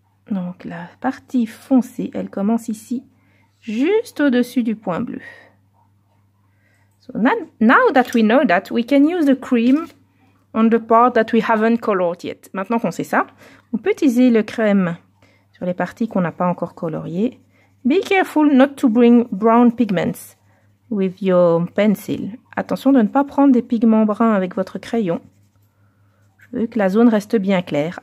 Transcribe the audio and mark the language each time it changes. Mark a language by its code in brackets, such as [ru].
[fr] Donc la partie foncée, elle commence ici, juste au-dessus du point bleu. [en] So now that we know that, we can use the cream on the part that we haven't colored yet. [fr] Maintenant qu'on sait ça, on peut utiliser le crème sur les parties qu'on n'a pas encore coloriées. [en] Be careful not to bring brown pigments with your pencil. [fr] Attention de ne pas prendre des pigments bruns avec votre crayon. Je veux que la zone reste bien claire.